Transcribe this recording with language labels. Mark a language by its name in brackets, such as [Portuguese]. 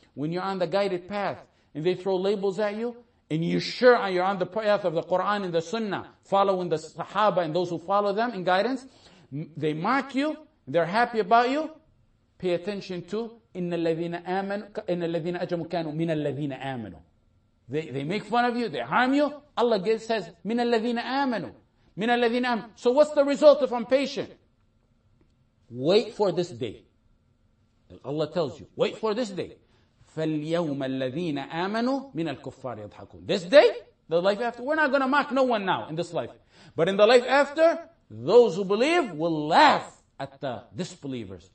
[English] When you're on the guided path and they throw labels at you, and you're sure you're on the path of the Quran and the Sunnah, following the Sahaba and those who follow them in guidance, they mark you, they're happy about you, pay attention to [Arabic] إِنَّ الَّذِينَ أَجْرَمُوا كَانُوا مِنَ الَّذِينَ آمَنُوا. [English] They make fun of you, they harm you. Allah says, [Arabic] مِنَ الَّذِينَ آمَنُوا. مِنَ الَّذِينَ آمَنُوا. [English] So what's the result if I'm patient? Wait for this day. Allah tells you, wait for this day. [Arabic] فَالْيَوْمَ الَّذِينَ آمَنُوا مِنَ الْكُفَّارِ يَضْحَكُونَ. [English] This day, the life after, we're not going to mock no one now in this life. But in the life after, those who believe will laugh at the disbelievers.